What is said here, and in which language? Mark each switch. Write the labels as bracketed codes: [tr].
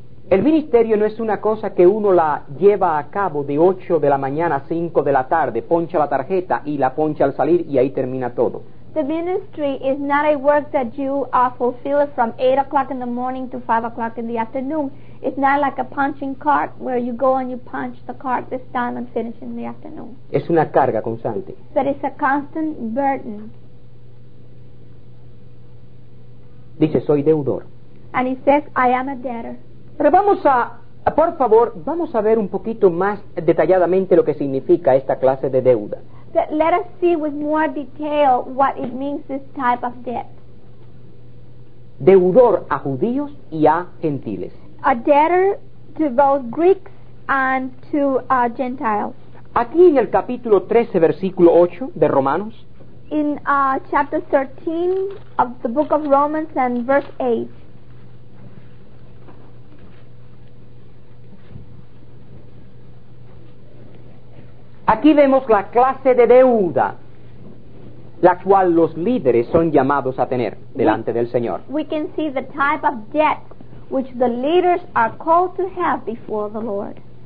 [es] El ministerio no es una cosa que uno la lleva a cabo de 8 de la mañana a 5 de la tarde, poncha la tarjeta y la poncha al salir y ahí termina todo. [en] The ministry is not a work that you fulfill from 8 o'clock in the morning to 5 o'clock in the afternoon. It's not like a punching cart where you go and you punch the cart this time and finish in the afternoon. [es] Es una carga constante. [en] But it's a constant burden. [es] Dice, soy deudor. [en] And he says, I am a debtor. [es] Pero vamos a, por favor, vamos a ver un poquito más detalladamente lo que significa esta clase de deuda. [en] But let us see with more detail what it means, this type of debt. [es] Deudor a judíos y a gentiles. [en] A debtor to both Greeks and to Gentiles. [es] Aquí en el capítulo 13, versículo 8 de Romanos. [en] In chapter 13 of the book of Romans and verse 8. [es] Aquí vemos la clase de deuda la cual los líderes son llamados a tener delante del Señor. [en] We can see the type of debt which the leaders are called to have before the Lord.